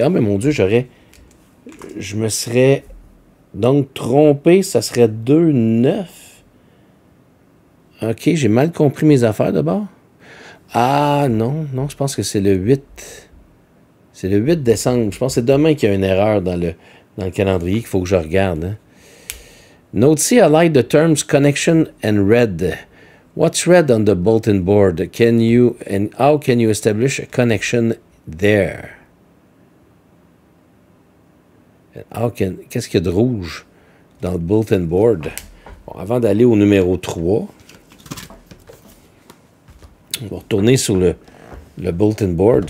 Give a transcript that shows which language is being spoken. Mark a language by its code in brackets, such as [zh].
[fr] Ah, mais mon Dieu, je me serais donc trompé, ça serait 2-9. OK, j'ai mal compris mes affaires d'abord. Ah, non, je pense que c'est le 8. C'est le 8 décembre. Je pense que c'est demain qu'il y a une erreur dans le calendrier qu'il faut que je regarde. Hein. [en] Note C, I like the terms connection and red. What's red on the bulletin board? Can you and how can you establish a connection there? [fr] Qu'est-ce qu'il y a de rouge dans le bulletin board? Bon, avant d'aller au numéro 3, on va retourner sur le bulletin board.